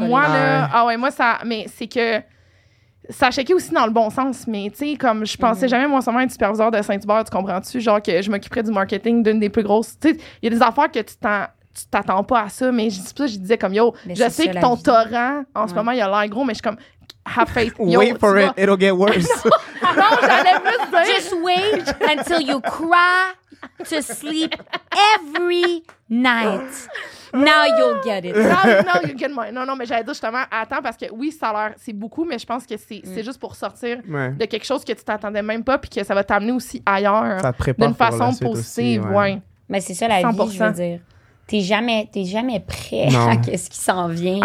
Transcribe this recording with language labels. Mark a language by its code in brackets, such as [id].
[fr] Moi, là, ah ouais, moi, ça, mais c'est que. Ça checkait aussi dans le bon sens, mais tu sais, comme je pensais jamais, moi, seulement être superviseur de Saint-Hubert, tu comprends-tu? Genre que je m'occuperais du marketing d'une des plus grosses. Tu sais, il y a des affaires que tu t'attends pas à ça, mais je dis ça, je disais comme yo, mais je sais que ton vie. Torrent en ce moment, il a l'air gros, mais je suis comme [en] have faith. Yo, wait for it, it'll get worse. [fr] Non, j'allais plus dire. [en] Just wait until you cry to sleep every night. Now you'll get it. Now you'll get mine. [fr] Non, mais j'allais dire justement, attends, parce que oui, ça a l'air, c'est beaucoup, mais je pense que c'est juste pour sortir de quelque chose que tu t'attendais même pas, puis que ça va t'amener aussi ailleurs. Ça te prépare d'une façon pour la positive. Suite aussi, ouais. Mais c'est ça la 100%. Vie, je veux dire. T'es jamais prêt non. à ce qui s'en vient.